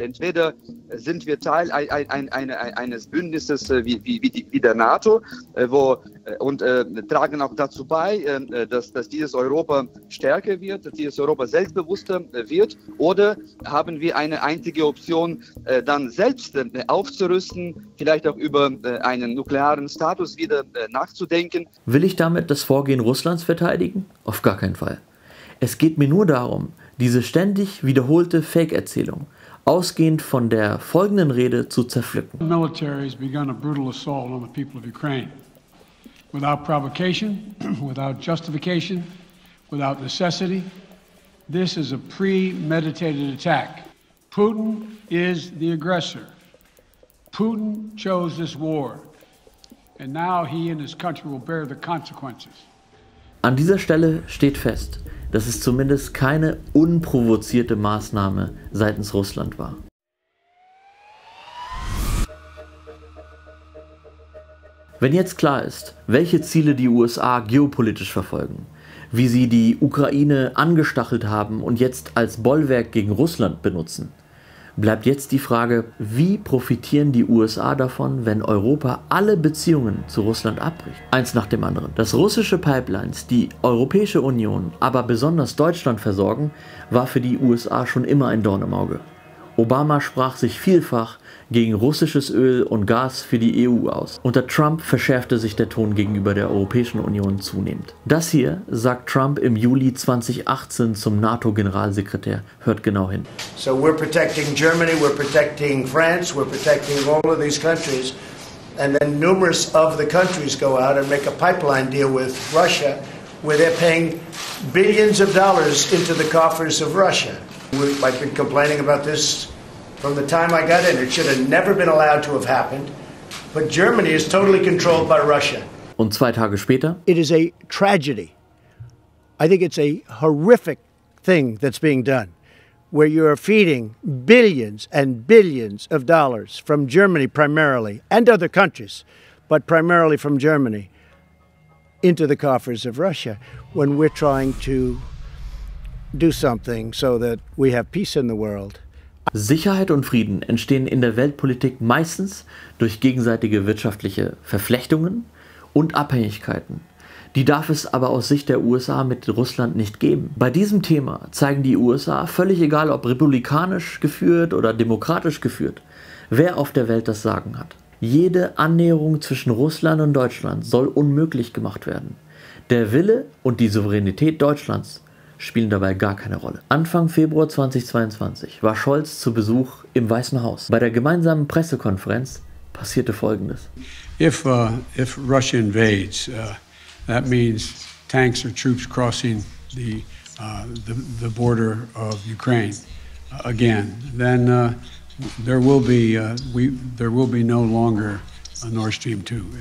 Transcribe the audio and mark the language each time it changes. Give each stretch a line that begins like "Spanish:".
German: Entweder sind wir Teil eines Bündnisses wie der NATO tragen auch dazu bei, dass dieses Europa stärker wird, dass dieses Europa selbstbewusster wird, oder haben wir eine einzige Option, dann selbst aufzurüsten, vielleicht auch über einen nuklearen Status wieder nachzudenken. Will ich damit das Vorgehen Russlands verteidigen? Auf gar keinen Fall. Es geht mir nur darum, diese ständig wiederholte Fake-Erzählung, ausgehend von der folgenden Rede, zu zerpflücken.
English: The military has begun a brutal assault on the people of Ukraine. Without provocation, without justification, without necessity, this is a premeditated attack. Putin is the aggressor. Putin chose this war. And now he and his country will bear the consequences.
German: An dieser Stelle steht fest, dass es zumindest keine unprovozierte Maßnahme seitens Russland war. Wenn jetzt klar ist, welche Ziele die USA geopolitisch verfolgen, wie sie die Ukraine angestachelt haben und jetzt als Bollwerk gegen Russland benutzen, bleibt jetzt die Frage, wie profitieren die USA davon, wenn Europa alle Beziehungen zu Russland abbricht? Eins nach dem anderen. Dass russische Pipelines die Europäische Union, aber besonders Deutschland versorgen, war für die USA schon immer ein Dorn im Auge. Obama sprach sich vielfach gegen russisches Öl und Gas für die EU aus. Unter Trump verschärfte sich der Ton gegenüber der Europäischen Union zunehmend. Das hier sagt Trump im Juli 2018 zum NATO-Generalsekretär. Hört genau hin.
English: So we're protecting Germany, we're protecting France, we're protecting all of these countries. And then numerous of the countries go out and make a pipeline deal with Russia, where they're paying billions of dollars into the coffers of Russia. I've been complaining about this from the time I got in. It should have never been allowed to have happened. But Germany is totally controlled by Russia.
German: Und 2 Tage später.
English: It is a tragedy I think it's a horrific thing that's being done, where you are feeding billions and billions of dollars from Germany primarily, and other countries, but primarily from Germany, into the coffers of Russia, when we're trying to do something so that we have peace in the world.
German: Sicherheit und Frieden entstehen in der Weltpolitik meistens durch gegenseitige wirtschaftliche Verflechtungen und Abhängigkeiten. Die darf es aber aus Sicht der USA mit Russland nicht geben. Bei diesem Thema zeigen die USA, völlig egal ob republikanisch geführt oder demokratisch geführt, wer auf der Welt das Sagen hat. Jede Annäherung zwischen Russland und Deutschland soll unmöglich gemacht werden. Der Wille und die Souveränität Deutschlands spielen dabei gar keine Rolle. Anfang Februar 2022 war Scholz zu Besuch im Weißen Haus. Bei der gemeinsamen Pressekonferenz passierte Folgendes.
English: If Russia invades, that means tanks or troops crossing the border of Ukraine again, then there will be no longer a Nord Stream 2.